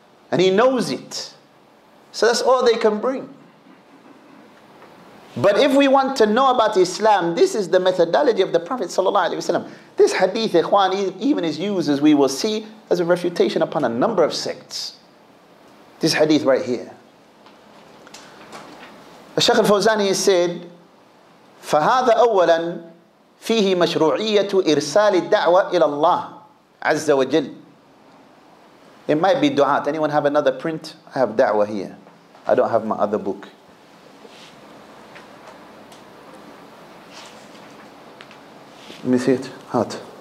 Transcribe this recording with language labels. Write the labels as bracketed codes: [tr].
[en] And he knows it. So that's all they can bring. But if we want to know about Islam, this is the methodology of the Prophet ﷺ. This hadith, ikhwan, even is used, as we will see, as a refutation upon a number of sects. This hadith right here. [ar] الشيخ الفوزاني said, فهذا أولا فيه مشروعية إرسال الدعوة إلى الله عز وجل. [en] It might be du'at. Anyone have another print? I have da'wah here. I don't have my other book. Let me see it. Hot.